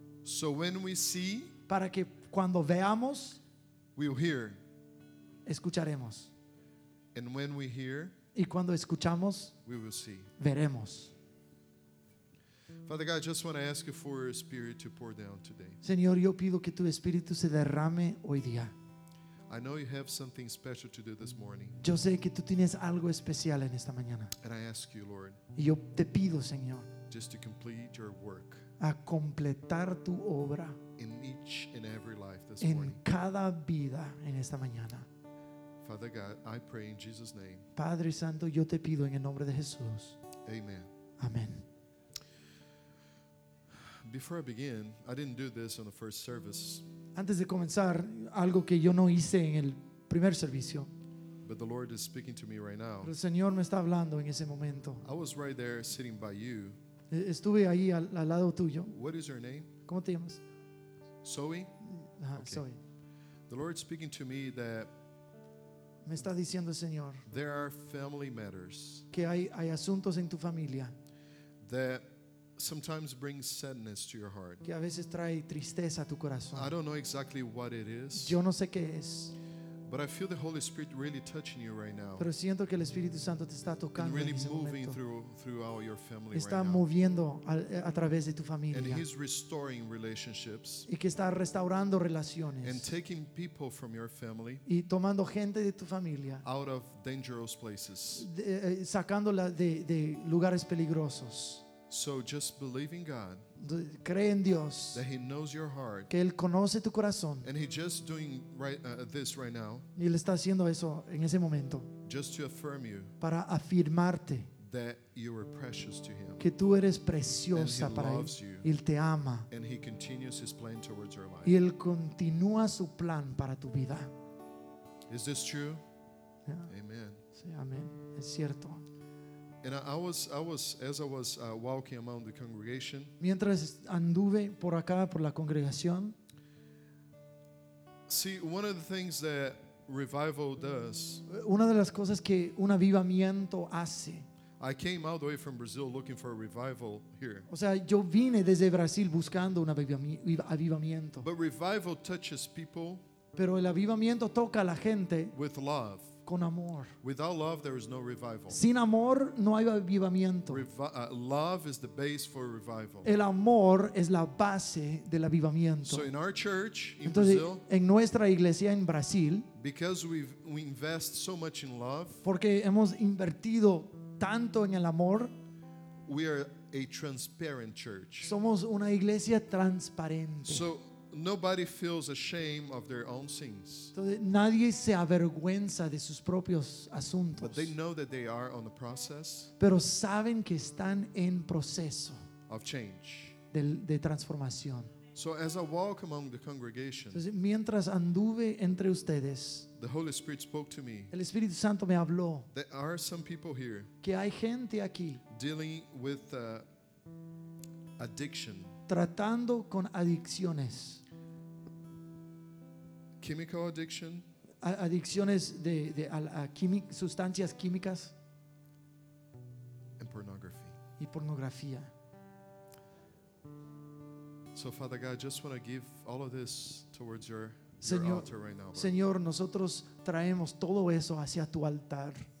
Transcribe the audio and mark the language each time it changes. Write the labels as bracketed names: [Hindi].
[English] So when we see. [Spanish] Para que cuando veamos. [English] We'll hear. [Spanish] Escucharemos. [English] And when we hear. [Spanish] Y cuando escuchamos. [English] We will see. [Spanish] Veremos. [English] Father God, I just want to ask you for your spirit to pour down today. [Spanish] Señor, yo pido que tu espíritu se derrame hoy día. [English] I know you have something special to do this morning. [Spanish] Yo sé que tú tienes algo especial en esta mañana. [English] And I ask you, Lord. [Spanish] Y yo te pido, Señor. [English] Just to complete your work. [Spanish] A completar tu obra. [English] In each and every life this [Spanish] en [English] morning. [Spanish] En cada vida en esta mañana. [English] Father God, I pray in Jesus' name. [Spanish] Padre Santo, yo te pido en el nombre de Jesús. [English] Amen. [Spanish] Amén. [English] Before I begin, I didn't do this on the first service. [Spanish] Antes de comenzar, algo que yo no hice en el primer servicio. [English] But the Lord is speaking to me right now. [Spanish] El Señor me está hablando en ese momento. [English] I was right there sitting by you. [Spanish] Estuve ahí al lado tuyo. [English] What is your name? [Spanish] ¿Cómo te llamas? [English] Zoe. Okay. Zoe. The Lord is speaking to me that [Spanish] me está diciendo, Señor, [English] there are family matters. [Spanish] Que hay asuntos en tu familia. [English] That sometimes brings sadness to your heart. [Spanish] Que a veces trae tristeza a tu corazón. [English] I don't know exactly what it is. [Spanish] Yo no sé qué es. [English] But I feel the Holy Spirit really touching you right now. [Spanish] Pero siento que el Espíritu Santo te está tocando. [English] Really [Spanish] en ese [English] moving [Spanish] momento. [English] Through all your family. [Spanish] Está [English] right [Spanish] moviendo [English] now. [Spanish] A través de tu familia. [English] And He's restoring relationships. [Spanish] Y que está restaurando relaciones. [English] And taking people from your family. [Spanish] Y tomando gente de tu familia. [English] Out of dangerous places. [Spanish] Sacándola de lugares peligrosos. [English] So just believe in God. [Spanish] Cree en Dios. [English] That He knows your heart. [Spanish] Que él conoce tu corazón. [English] And He's just doing right, this right now. [Spanish] Y él está haciendo eso en ese momento. [English] Just to affirm you. [Spanish] Para afirmarte. [English] That you are precious to Him. [Spanish] Que tú eres preciosa para él. [English] And He loves you. [Spanish] Y él te ama. [English] And He continues His plan towards your life. [Spanish] Y él continúa su plan para tu vida. [English] Is this true? Yeah. Amen. [Spanish] Sí, amén. Es cierto. [English] And I was as I was walking among the congregation. [Spanish] Mientras anduve por acá por la congregación. [English] See, one of the things that revival does. [Spanish] Una de las cosas que un avivamiento hace. [English] I came all the way from Brazil looking for a revival here. [Spanish] O sea, yo vine desde Brasil buscando un avivamiento. [English] But revival touches people. [Spanish] Pero el avivamiento toca a la gente. [English] With love. [Spanish] Con amor. [English] Without love, there is no revival. [Spanish] Sin amor, no hay avivamiento. [English] Love is the base for revival. [Spanish] El amor es la base del avivamiento. [English] So in our church in [Spanish] entonces, [English] Brazil, [Spanish] en nuestra iglesia en Brasil, [English] because we invest so much in love, [Spanish] porque hemos invertido tanto en el amor. [English] We are a transparent church. [Spanish] Somos una iglesia transparente. [English] So nobody feels ashamed of their own sins. [Spanish] Entonces, nadie se avergüenza de sus propios asuntos. [English] But they know that they are on the process. [Spanish] Pero saben que están en proceso [English] of change. [Spanish] De transformación. [English] So as I walk among the congregation, [Spanish] entonces, mientras anduve entre ustedes, [English] the Holy Spirit spoke to me. [Spanish] El Espíritu Santo me habló. [English] There are some people here. [Spanish] Que hay gente aquí. [English] Dealing with addiction. [Spanish] Tratando con adicciones. [English] Chemical addiction. [Spanish] Adicciones de sustancias químicas. [English] And pornography. [Spanish] Y pornografía. [English] So Father God, I just want to give all of this towards your [Spanish] Señor, [English] altar right now, [Spanish] Señor, nosotros traemos todo eso hacia tu altar.